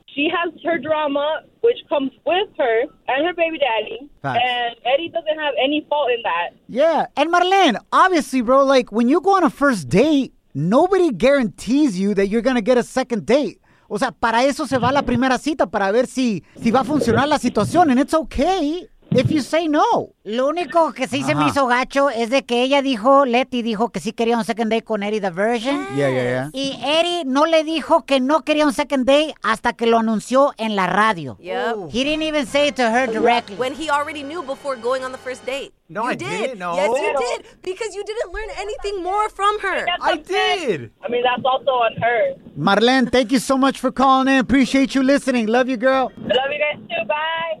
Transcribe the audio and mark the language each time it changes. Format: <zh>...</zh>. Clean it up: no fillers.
<en>She has her drama, which comes with her and her baby daddy. Facts. And Eddie doesn't have any fault in that. Yeah. And Marlene, obviously, bro, like when you go on a first date, nobody guarantees you that you're going to get a second date.</en> <es>O sea, para eso se va la primera cita, para ver si va a funcionar la situación.</es> <en>And it's okay if you say no.</en> <es>Lo único que sí se me hizo gacho es de que ella dijo, Leti dijo que sí quería un</es> <en>second date</en> <es>con Eddie the Virgin.</es> <en>Yeah, yeah, yeah.</en> <es>Y Eddie no le dijo que no quería un</es> <en>second date</en> <es>hasta que lo anunció en la radio.</es> <en>Yep. He didn't even say it to her directly. When he already knew before going on the first date. No, you I did. Didn't, no. Yes, you did. Because you didn't learn anything more from her. I did. I mean, that's also on her. Marlene, thank you so much for calling in. Appreciate you listening. Love you, girl. Love you guys too. Bye.</en>